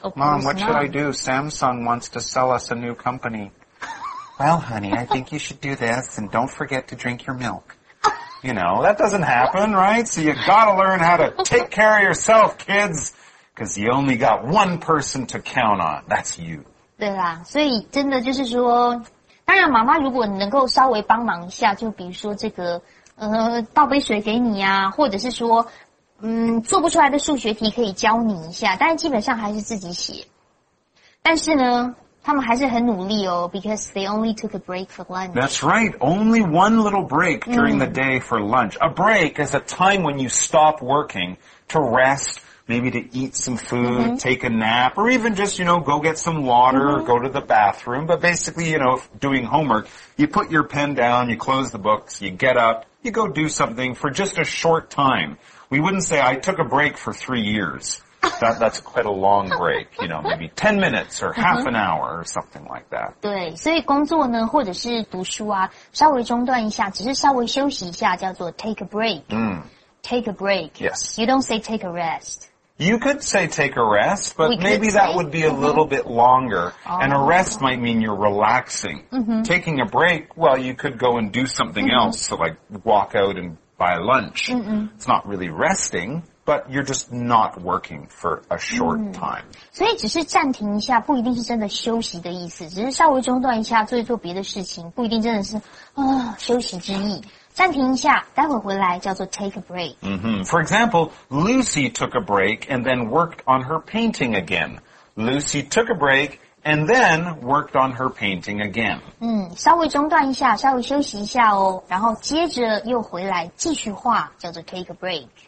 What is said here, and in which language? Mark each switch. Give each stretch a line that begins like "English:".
English: Mom, what should I do? Samsung wants to sell us a new company. Well, honey, I think you should do this and don't forget to drink your milk. You know, that doesn't happen, right? So you got to learn how to take care of yourself, kids, because you only got one person to count on. That's you.
Chinese: 对啦，所以真的就是说，当然妈妈如果能够稍微帮忙一下，就比如说这个，倒杯水给你啊，或者是说，做不出来的数学题可以教你一下，但是基本上还是自己写。但是呢，他们还是很努力哦
English: ，because they only took a break for lunch. That's right, only one little break during the day for lunch. A break is a time when you stop working to rest. Maybe to eat some food, take a nap, or even just, you know, go get some water, go to the bathroom. But basically, you know, doing homework, you put your pen down, you close the books, you get up, you go do something for just a short time. We wouldn't say, I took a break for 3 years. That's quite a long break, you know, maybe 10 minutes or half an hour or something like that.
Chinese: 对，所以工作呢，或者是读书啊，稍微中断一下，只是稍微休息一下，叫做 take a break. Take a break.
English: Yes. You don't say take a rest. You could say take a rest, but maybe that would be a little bit longer. And a rest might mean you're relaxing. Taking a break, well, you could go and do something else, so like walk out and buy lunch. It's not really resting, but you're just not working for a short time.
Chinese: 所以只是暂停一下不一定是真的休息的意思，只是稍微中断一下做一做别的事情，不一定真的是休息之意。暂停一下，待会回来叫做 take a break.
English: For example, Lucy took a break and then worked on her painting again. Lucy took a break and then worked on her painting again.
Chinese: 稍微中断一下，稍微休息一下哦，然后接着又回来继续画，叫做 take a break.